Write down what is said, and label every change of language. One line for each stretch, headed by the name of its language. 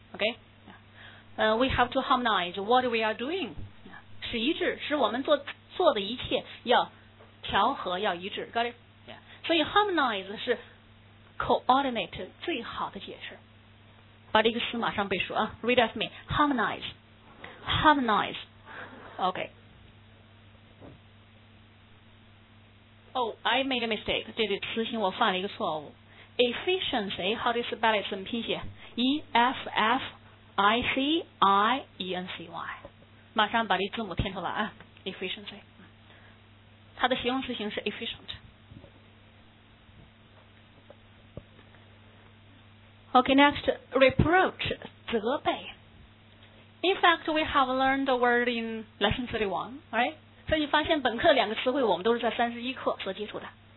English: OK， we have to harmonize what we are doing.
Chinese: 是一致，是我们做的一切要调和，要一致。
English: Got it？ Yeah.
Chinese: 所以 harmonize 是 coordinate 最好的解释。把这个词马上背熟啊
English: ！Read after me. Harmonize. Harmonize. OK. Oh, I made a mistake.
Chinese: 这个词性我犯了一个错误。
English: Efficiency, how do you spell it?
Chinese: 怎么拼写 ？Efficiency， 马上把这字母填出来啊 ！Efficiency， 它的形容词形式 efficient。
English: Okay, next, reproach,
Chinese: 责备。
English: In fact, we have learned the word in lesson 31, right?
Chinese: 所以你发现本课两个词汇我们都是在31课所接触的。